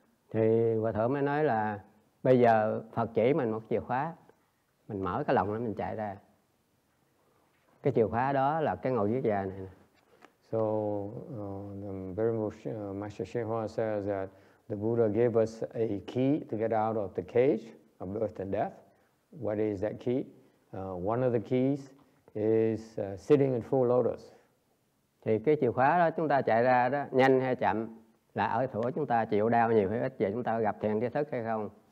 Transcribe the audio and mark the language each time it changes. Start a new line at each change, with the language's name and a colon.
Vietnamese: Thì Hòa Thượng mới nói là bây giờ Phật chỉ mình một chìa khóa, mình mở cái lòng đó mình chạy ra. Cái chìa khóa đó là cái ngồi giết già này.
English: So the Venerable Master Shenhua says that the Buddha gave us a key to get out of the cage of birth and death. What is that key? One of the keys is sitting in full lotus.
Vietnamese: Thì cái chìa khóa đó chúng ta chạy ra đó nhanh hay chậm là ở chỗ chúng ta chịu đau nhiều hay ít, vậy chúng ta gặp thiền tri thức hay không.